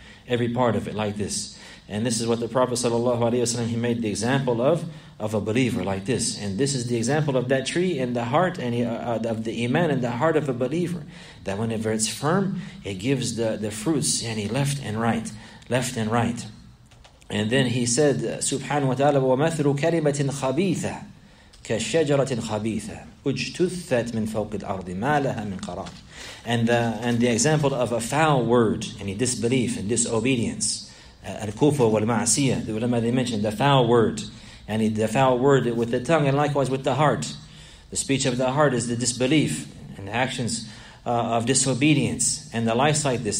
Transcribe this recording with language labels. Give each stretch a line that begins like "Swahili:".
English: Every part of it, like this. And this is what the Prophet sallallahu alaihi wasallam, he made the example of a believer like this. And this is the example of that tree in the heart and of the iman in the heart of a believer. That whenever it's firm, it gives the fruits, yani left and right. Left and right. And then he said,
Arabic: Subhanahu wa ta'ala, وَمَثْلُ كَلِمَةٍ خَبِيثَةٍ كشجرة خبيثة اجتثت من فوق الأرض ما لها من قرار.
English: And the example of a foul word, any disbelief and disobedience,
Arabic: الكفر والمعصية,
English: the ulama they mentioned, the foul word, and the foul word with the tongue and likewise with the heart. The speech of the heart is the disbelief and the actions of disobedience and the likes like this.